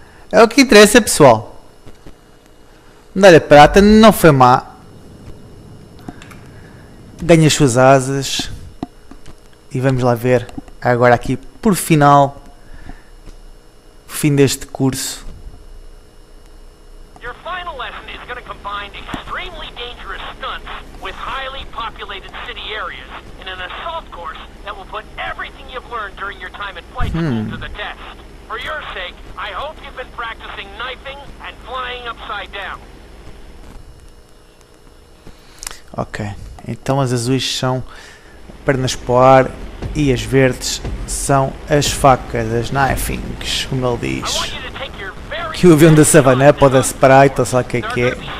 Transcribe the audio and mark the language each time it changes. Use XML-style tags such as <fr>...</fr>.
<pt>É o que interessa, pessoal. Medalha de prata não foi má. Ganha as suas asas. E vamos lá ver agora aqui por final. Fim deste curso.</pt> <en>Your final lesson is going to combine extremely dangerous stunts with highly populated city areas in an assault course that will put everything you've learned during your time at flight school to the test. For your sake, I hope you've been practicing knifing and flying upside down.</en> <pt>Ok, então as azuis são pernas para o ar. E as verdes são as facas, as knifings, como ele diz. Que o avião da Savannah pode separar, então sabe o que é.</pt>